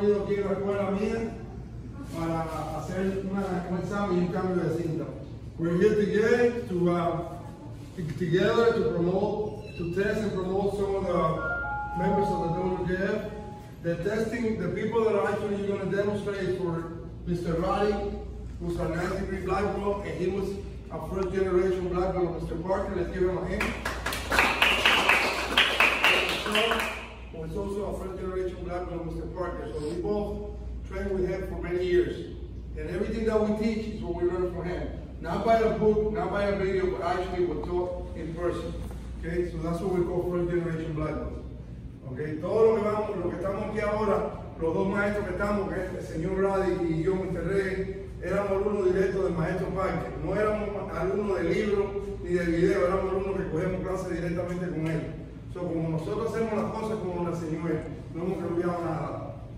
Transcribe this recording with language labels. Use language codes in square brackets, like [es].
[es] ir a la escuela mía para hacer un examen y un cambio de cinta. [en] We're here today to together to promote, to test and promote some of the members of the WJF. The testing, the people that are actually going to demonstrate for Mr. Roddy, who's a 93 black belt, and he was a first generation black belt, Mr. Parker. Let's give him a hand. Was also a first generation black belt, Mr. Parker. So we both trained with him for many years. And everything that we teach is what we learn from him. Not by a book, not by a video, but actually we're taught in person. Okay, so that's what we call first generation black belt. [es] Okay, todo lo que vamos, lo que estamos aquí ahora, los dos maestros que estamos, que es el señor Roddy y yo, Mr. Rey, éramos alumnos directos del maestro Parker. No éramos alumnos de libro ni de video, éramos alumnos que cogemos clases directamente con él. So, como nosotros hacemos las cosas como la señora, no hemos cambiado nada.